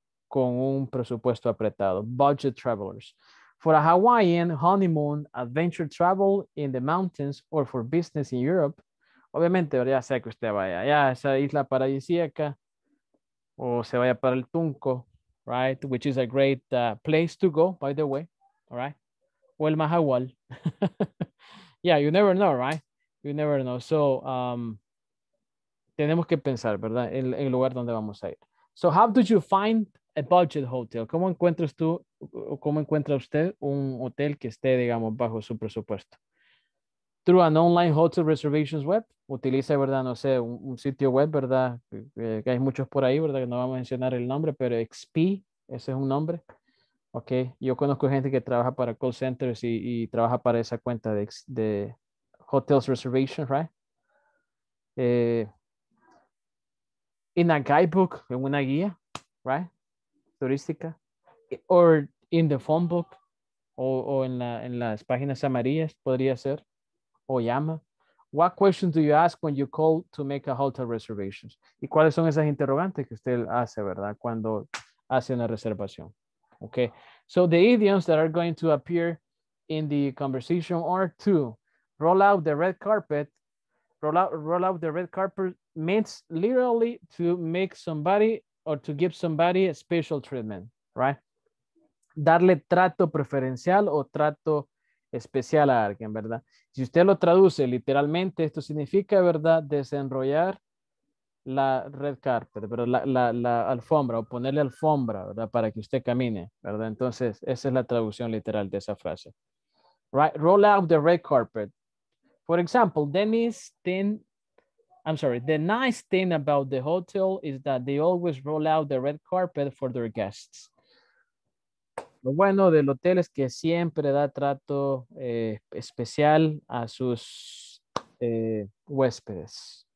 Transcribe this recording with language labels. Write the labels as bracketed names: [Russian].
[Spanish] con un presupuesto apretado. [English] Budget travelers. For a Hawaiian, honeymoon, adventure travel in the mountains, or for business in Europe. [Spanish] Obviamente, ya sea que usted vaya allá a esa isla paradisíaca, o se vaya para el Tunco, right? [English] Which is a great place to go, by the way, all right? O el Mahahual. Yeah, you never know, right? You never know. [Spanish] So, tenemos que pensar, ¿verdad? En el lugar donde vamos a ir. [English] So, how did you find a budget hotel? [Spanish] ¿Cómo encuentras tú, o cómo encuentra usted un hotel que esté, digamos, bajo su presupuesto? [English] Through an online hotel reservations web. [Spanish] Utiliza, ¿verdad? No sé, un sitio web, ¿verdad? Que hay muchos por ahí, ¿verdad? Que no vamos a mencionar el nombre, pero XP, ese es un nombre. Ok, yo conozco gente que trabaja para call centers y trabaja para esa cuenta de hotels reservations, right? [English] In a guidebook, [Spanish] en una guía, [English] right? Turística. Or in the phone book, [Spanish] o en las páginas amarillas, podría ser. O llama. [English] What questions do you ask when you call to make a hotel reservations? [Spanish] ¿Y cuáles son esas interrogantes que usted hace, verdad? Cuando hace una reservación. Okay. [English] So the idioms that are going to appear in the conversation are two. Roll out the red carpet. Roll out the red carpet means literally to make somebody or to give somebody a special treatment, right? [Spanish] Darle trato preferencial o trato especial a alguien, ¿verdad? Si usted lo traduce literalmente, esto significa, ¿verdad? Desenrollar la red carpet, pero la alfombra o ponerle alfombra, ¿verdad? Para que usted camine, ¿verdad? Entonces, esa es la traducción literal de esa frase. [English] Right? Roll out the red carpet. For example, the nice thing about the hotel is that they always roll out the red carpet for their guests. [Spanish] Lo bueno del hotel es que siempre da trato especial a sus huéspedes.